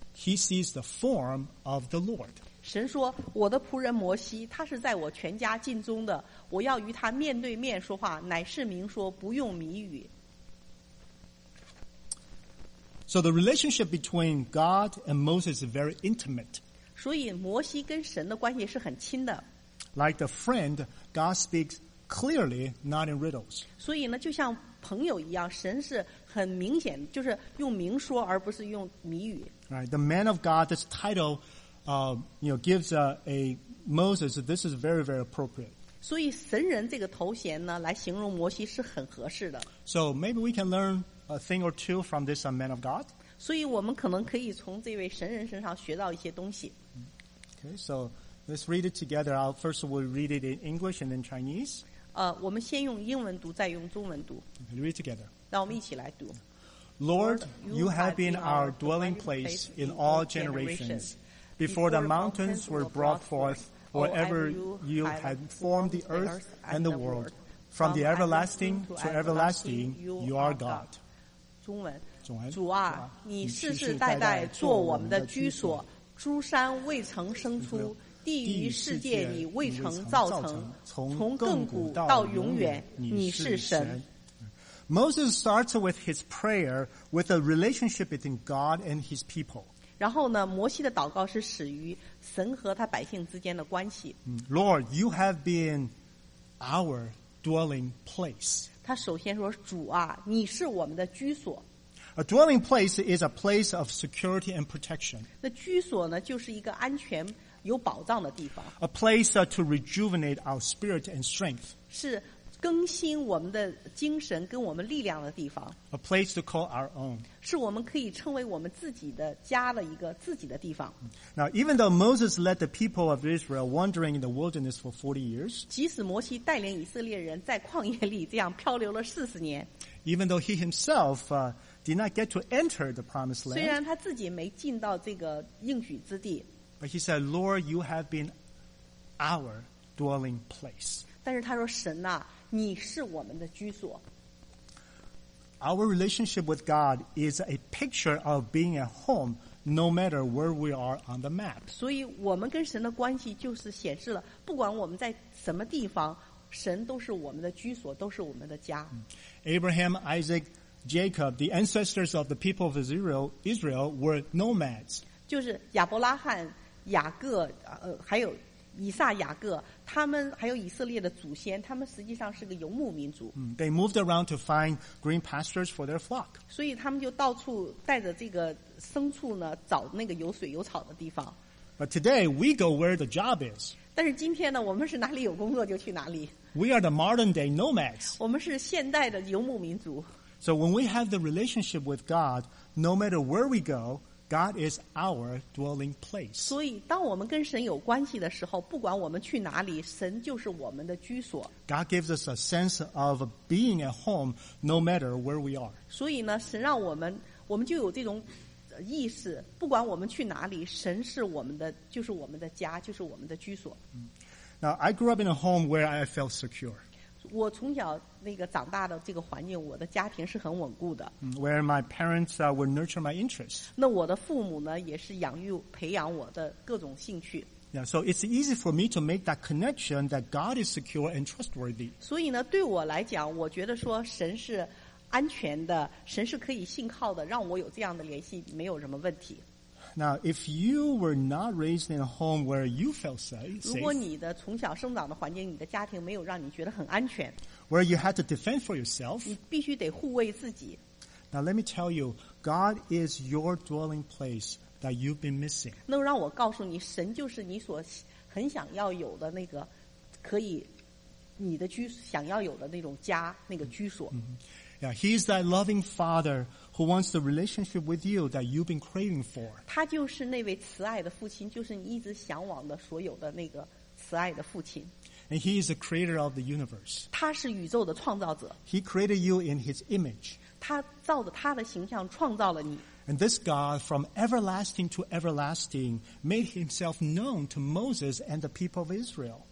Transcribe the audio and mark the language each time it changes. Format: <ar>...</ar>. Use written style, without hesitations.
<en>He sees the form of the Lord.</en> <zh>神说，我的仆人摩西，他是在我全家尽忠的。我要与他面对面说话，乃是明说，不用谜语。</zh> <en>So the relationship between God and Moses is very intimate.</en> <zh>所以摩西跟神的关系是很亲的。</zh> <en>Like the friend, God speaks clearly, not in riddles.</en> <zh>所以呢，就像朋友一样，神是很明显，就是用明说，而不是用谜语。</zh> <en>Right, the man of God. This title, gives a Moses. This is very, very appropriate.</en> <zh>所以神人这个头衔呢，来形容摩西是很合适的。</zh> <en>So maybe we can learn a thing or two from this man of God.</en> <zh>所以我们可能可以从这位神人身上学到一些东西。</zh> <en>Okay, so let's read it together. First, we'll read it in English and then Chinese.</en> <zh>我们先用英文读，再用中文读。</zh> <en>Okay, read together.</en> <zh>让我们一起来读。</zh> <en>Lord, you have been our dwelling place in all generations. Before the mountains were brought forth, or ever you had formed the earth and the world, from the everlasting to everlasting, you are God.</en> <zh>中文，主啊，你世世代代做我们的居所，诸山未曾生出，地与世界你未曾造成，从亘古到永远，你是神。</zh> <en>Moses starts with his prayer with a relationship between God and his people.</en> <zh>然后呢，摩西的祷告是始于神和他百姓之间的关系。</zh> <en>Lord, you have been our dwelling place.</en> <zh>他首先说，主啊，你是我们的居所。</zh> <en>A dwelling place is a place of security and protection.</en> <zh>那居所呢，就是一个安全有保障的地方。</zh> <en>A place to rejuvenate our spirit and strength.</en> <zh>是更新我们的精神跟我们力量的地方。</zh> <en>A place to call our own.</en> <zh>是我们可以称为我们自己的家的一个自己的地方。</zh> <en>Now, even though Moses led the people of Israel wandering in the wilderness for 40 years,</en> <zh>即使摩西带领以色列人在旷野里这样漂流了40年,</zh> <en>even though he himself did not get to enter the promised land,</en> <zh>虽然他自己没进到这个应许之地,</zh> <en>but he said, Lord, you have been our dwelling place.</en> <zh>但是他说，神啊，你是我们的居所。</zh> <en>Our relationship with God is a picture of being at home, no matter where we are on the map.</en> <zh>所以我们跟神的关系就是显示了，不管我们在什么地方，神都是我们的居所，都是我们的家。</zh> <en>Abraham, Isaac, Jacob, the ancestors of the people of Israel were nomads.</en> <zh>就是亚伯拉罕、雅各，还有以撒、雅各，他们还有以色列的祖先，他们实际上是个游牧民族。</zh> <en>They moved around to find green pastures for their flock.</en> <zh>所以他们就到处带着这个牲畜呢，找那个有水有草的地方。</zh> <en>But today we go where the job is.</en> <zh>但是今天呢，我们是哪里有工作就去哪里。</zh> <en>We are the modern day nomads.</en> <zh>我们是现代的游牧民族。</zh> <en>So when we have the relationship with God, no matter where we go,God is our dwelling place.</en> <zh>所以当我们跟神有关系的时候，不管我们去哪里，神就是我们的居所。</zh> <en>God gives us a sense of being at home, no matter where we are.</en> <zh>所以呢，神让我们就有这种意识，不管我们去哪里，神是我们的，就是我们的家，就是我们的居所。</zh> <en>Now, I grew up in a home where I felt secure.</en> <zh>我从小那个长大的这个环境，我的家庭是很稳固的。</zh> <en>Where my parents would nurture my interests.</en> <zh>那我的父母呢，也是养育培养我的各种兴趣。</zh> <en>Yeah, so it's easy for me to make that connection that God is secure and trustworthy.</en> <zh>所以呢，对我来讲，我觉得说神是安全的，神是可以信靠的，让我有这样的联系，没有什么问题。</zh> <en>Now, if you were not raised in a home where you felt safe,</en> <zh>如果你的从小生长的环境，你的家庭没有让你觉得很安全，</zh> <en>where you had to defend for yourself,</en> <zh>你必须得护卫自己。</zh> <en>Now, let me tell you, God is your dwelling place that you've been missing.</en> <zh>那让我告诉你，神就是你所很想要有的那个可以你的居想要有的那种家那个居所。 Mm-hmm.</zh> <en>Yeah, He is that loving Father who wants the relationship with you that you've been craving for.</en> <zh>他就是那位慈爱的父亲，就是你一直向往的所有的那个慈爱的父亲。</zh> <en>And He is the Creator of the universe.</en> <zh>他是宇宙的创造者。</zh> <en>He created you in His image.</en> <zh>他照着他的形象创造了你。</zh> <en>And this God, from everlasting to everlasting, made Himself known to Moses and the people of Israel.</en>